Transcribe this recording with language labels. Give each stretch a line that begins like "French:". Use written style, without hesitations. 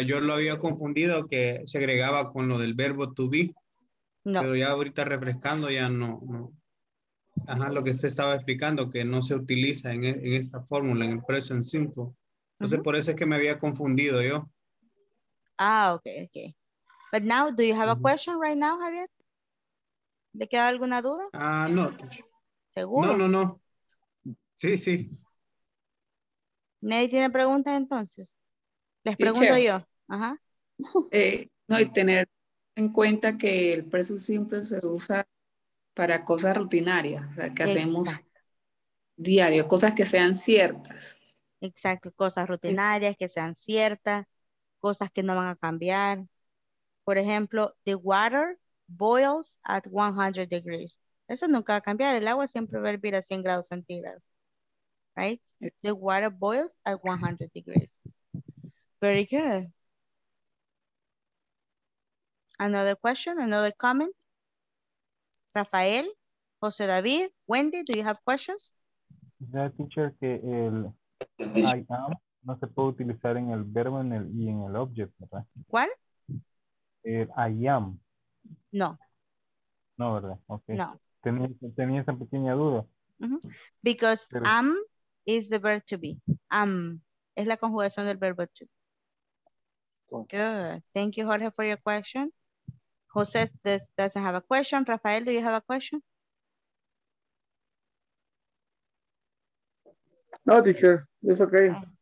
Spanish: Yo lo había confundido que se agregaba con lo del verbo to be. No. Pero ya ahorita refrescando ya no, no. Ajá, lo que usted estaba explicando, que no se utiliza en esta fórmula, en el present simple. Entonces, uh-huh, por eso es que me había confundido yo. Ah, ok, ok.
English: But now, do you have a question right now, Javier?
Spanish: ¿Le queda alguna duda? Ah, no. ¿Seguro? No, no, no. Sí, sí. ¿Nadie tiene preguntas entonces? Les pregunto yo. Ajá. No, y tener en cuenta que el present simple se usa para cosas rutinarias, o sea, que hacemos diario, cosas que sean ciertas. Exacto, cosas rutinarias que sean ciertas, cosas que no van a cambiar. Por ejemplo,
English: the water boils at 100 degrees.
Spanish: Eso nunca va a cambiar, el agua siempre va a hervir a 100 grados centígrados.
English: Right? The water boils at 100 degrees. Very good. Another question, another comment. Rafael, José David, Wendy, do you have questions?
Spanish: Ya, teacher, que el I am no se puede utilizar en el verbo en el, y en el object, ¿verdad? ¿Cuál? El I am. No. No, ¿verdad? Okay. No. Tenía esa pequeña duda. Mm-hmm.
English: Because
Spanish: pero,
English: am is the verb to be.
Spanish: Am es la conjugación del verbo to be.
English: Good. Thank you, Jorge, for your question. Jose doesn't have a question. Rafael, do you have a question? No, teacher. It's okay.